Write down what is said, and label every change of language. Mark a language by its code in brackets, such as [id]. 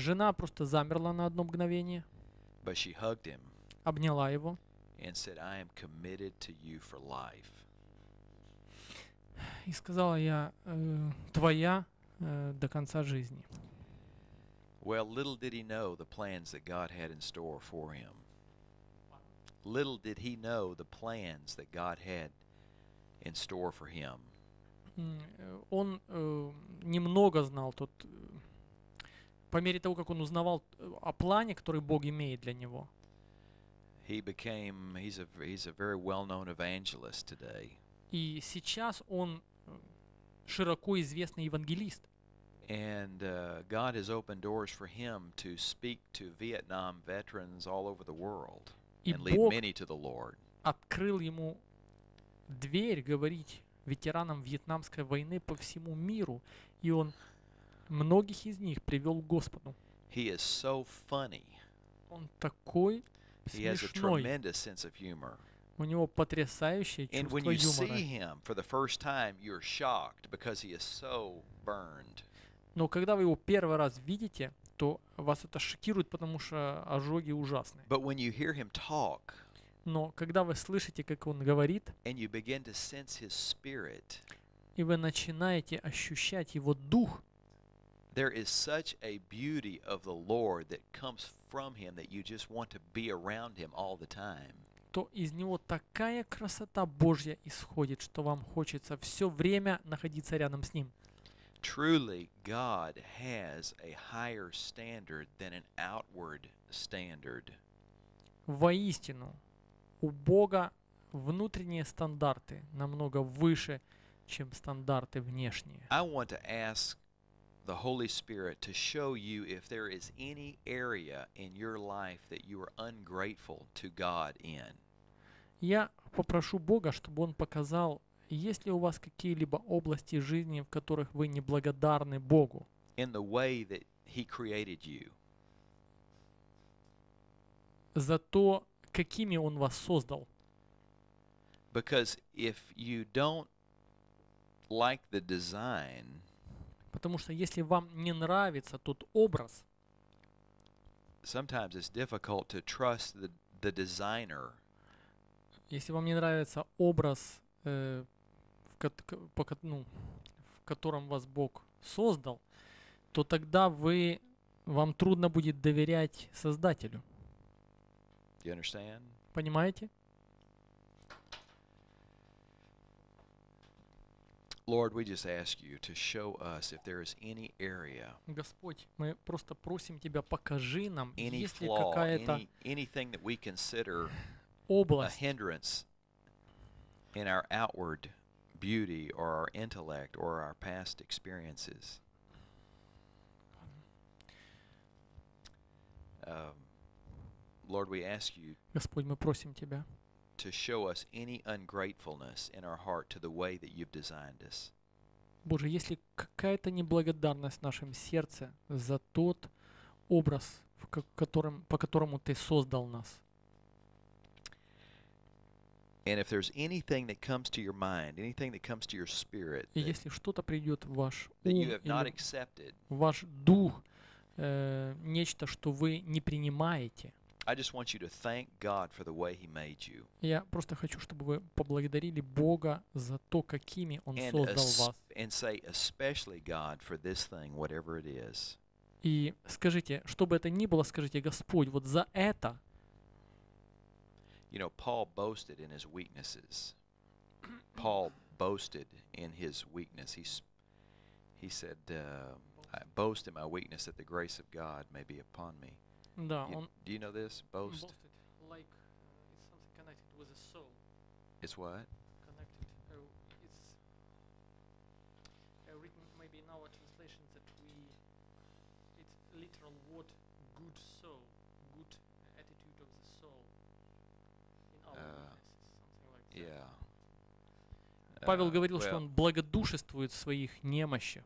[ru] Жена просто замерла на одно мгновение. [en] But she hugged him. [ru] Обняла его. [en] And said, "I am committed to you for life." [ru] И сказала, я твоя до конца жизни. [en] Well, little did he know the plans that God had in store for him. Little did he know the plans that God had in store for him. [ru] Он немного знал тот, по мере того, как он узнавал о плане, который Бог имеет для него. [en] He's a very well-known evangelist today. [ru] И сейчас он широко известный евангелист. [en] And God has opened doors for him to speak to Vietnam veterans all over the world. And lead many to the Lord. [ru] Открыл ему дверь говорить ветеранам Вьетнамской войны по всему миру, и он многих из них привел к Господу. [en] He is so funny. [ru] Он такой [en] He [ru] смешной. [en] Has a tremendous sense of humor. [ru] У него потрясающее чувство [en] And when you [ru] юмора. [en] See him for the first time, you're shocked because he is so burned. [ru] Но когда вы его первый раз видите, то вас это шокирует, потому что ожоги ужасны. [en] But when you hear him talk, [ru] но когда вы слышите, как он говорит, [en] and you begin to sense his spirit, [ru] и вы начинаете ощущать его дух, [en] there is such a beauty of the Lord that comes from him that you just want to be around him all the time. [ru] То из него такая красота Божья исходит, что вам хочется все время находиться рядом с ним. [en] Truly, God has a higher standard than an outward standard. [ru] Воистину, у Бога внутренние стандарты намного выше, чем стандарты внешние. [en] I want to ask the Holy Spirit to show you if there is any area in your life that you are ungrateful to God in. [ru] Я попрошу Бога, чтобы Он показал, есть ли у вас какие-либо области жизни, в которых вы неблагодарны Богу? [en] In the way that he created you. [ru] За то, какими он вас создал. [en] Because if you don't like the design, [ru] потому что если вам не нравится тот образ, [en] sometimes it's difficult to trust the designer. [ru] Если вам не нравится образ, в котором вас Бог создал, то тогда вам трудно будет доверять Создателю. [en] You understand? [ru] Понимаете? [en] Lord, we just ask you to show us if there is any area. [ru] Господь, мы просто просим тебя, покажи нам, [en] any [ru] есть ли какая-то [en] anything that we consider [ru] область, [en] a hindrance in our outward beauty or our intellect or our past experiences. Lord, we ask you. [ru] Господь, мы просим тебя. [en] To show us any ungratefulness in our heart to the way that you've designed us. [ru] Боже, если какая-то неблагодарность в нашем сердце за тот образ, по которому ты создал нас. [en] And if there's anything that comes to your mind, anything that comes to your spirit, [ru] и если что-то придет в ваш ум, [en] that you have not accepted, [ru] ваш дух, нечто, что вы не принимаете, [en] I just want you to thank God for the way He made you. [ru] Я просто хочу, чтобы вы поблагодарили Бога за то, какими Он создал вас. [en] And say especially God for this thing, whatever it is. [ru] И скажите, что бы это ни было, скажите, Господь, вот за это. [en] You know, Paul boasted in his weaknesses. Paul boasted in his weakness. He said, I boast in my weakness that the grace of God may be upon me. [ru] Да, [en] do you know this? Boast. Boasted, like it's something connected with the soul. It's what? Connected. It's written maybe in our translation that it's literal word good soul, good attitude of the soul. In our witnesses, something like that. Yeah. [ru] Павел говорил, что он благодушествует в своих немощах.